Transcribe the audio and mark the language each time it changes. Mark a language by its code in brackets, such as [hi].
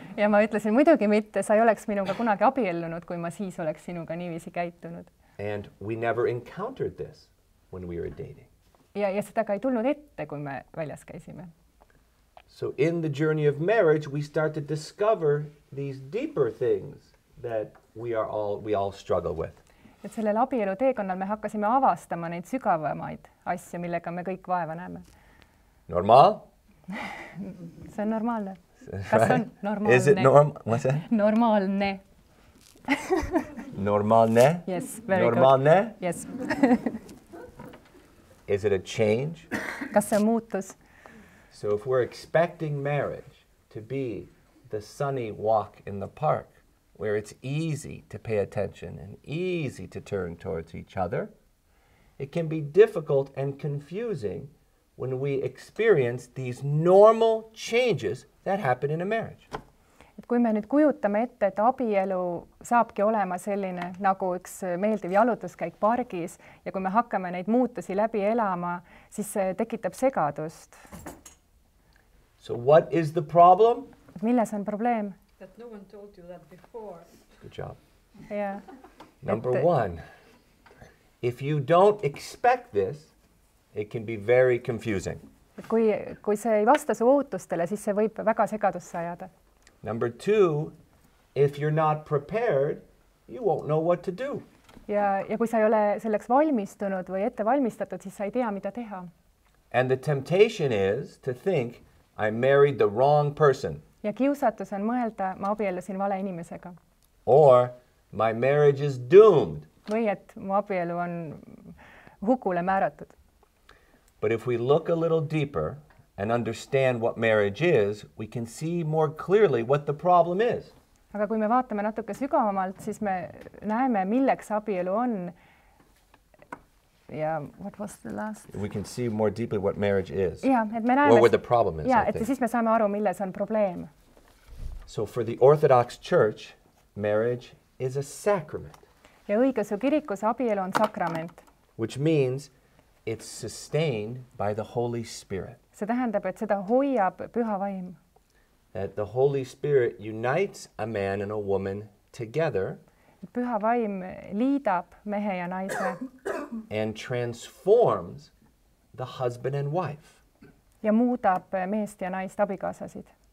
[et] Ja ma ütlesin, muidugi mitte, sa ei oleks minuga kunagi abiellunud, kui ma siis oleks sinuga niiviisi käitunud. [en] And we never encountered this when we were dating. [et] Ja seda ka ei tulnud ette, kui me väljas käisime. [en] So in the journey of marriage, we start to discover these deeper things that we all struggle with. [et] Et sellel abielu teekonnal me hakkasime avastama neid sügavamaid asju, millega me kõik vaeva näeme. Normaal? See on normaalne. Kas on normaalne? [en] Is it normal? What's that? [et] Normaalne. Normaalne? [en] Yes, very good. [et] Normaalne? [en] Yes. Is it a change? [et] Kas see on muutus? [en] So if we're expecting marriage to be the sunny walk in the park, where it's easy to pay attention and easy to turn towards each other, it can be difficult and confusing when we experience these normal changes that happen in a marriage. [et] Et kui me nüüd kujutame ette, et abielu saabki olema selline nagu üks meeldiv jalutuskäik pargis ja kui me hakkame neid muutusi läbi elama, siis see tekitab segadust. [en] So what is the problem? [et] Milles on probleem? [en] That no one told you that before. Good job. Yeah. Number one, if you don't expect this, it can be very confusing. [et] Kui see ei vasta su ootustele, siis see võib väga segadusse ajada. [en] Number two, if you're not prepared, you won't know what to do. [et] Ja kui sa ei ole selleks valmistunud või ette valmistatud, siis sa ei tea, mida teha. [en] And the temptation is to think, "I married the wrong person." [et] Ja kiusatus on mõelda, ma abiellusin vale inimesega. [en] Or, "My marriage is doomed." [et] Või et mu abielu on hukule määratud. [en] But if we look a little deeper and understand what marriage is, we can see more clearly what the problem is. [et] Aga kui me vaatame natuke sügavamalt, siis me näeme, milleks abielu on. [en] Ja, what was the last? We can see more deeply what marriage is. [et] Ja, et me näeme, [en] or what the problem is. [et] Ja, et siis me saame aru, milles on probleem. [en] So for the Orthodox Church, marriage is a sacrament. [et] Ja õigeusu kirikus abielu on sakrament. [en] Which means it's sustained by the Holy Spirit. [et] See tähendab, et seda hoiab püha vaim. [en] That the Holy Spirit unites a man and a woman together. [et] Püha vaim liidab mehe ja naise. [en] And transforms the husband and wife. [et] Ja muudab meest ja naist abikaasasid.